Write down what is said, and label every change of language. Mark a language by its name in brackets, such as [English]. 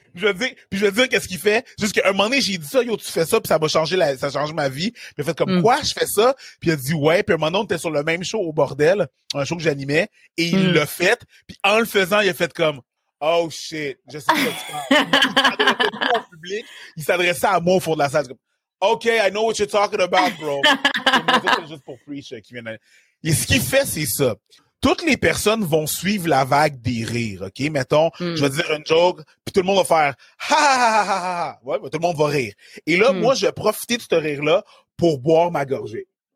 [French] Je veux dire, qu'est-ce qu'il fait? Juste qu'à un moment donné, j'ai dit ça, yo, tu fais ça, puis ça m'a changé, ça a changé ma vie. Puis il a fait comme, « Quoi? Je fais ça? » Puis il a dit, « Ouais. » Puis à un moment donné, on était sur le même show au bordel, un show que j'animais, et il l'a fait. Puis en le faisant, il a fait comme, [English] oh shit, [French] je sais pas ce que tu parles. Il au public, il s'adressait à moi au fond de la salle. [English] OK, I know what you're talking about, bro. [French] C'est juste pour Preach qui vient d'aller. Et ce qu'il fait, c'est ça. Toutes les personnes vont suivre la vague des rires, OK? Mettons, je vais dire une joke, puis tout le monde va faire ha ha ha ha ha. Ouais, mais tout le monde va rire. Et là, moi, je vais profiter de ce rire-là pour boire ma gorgée.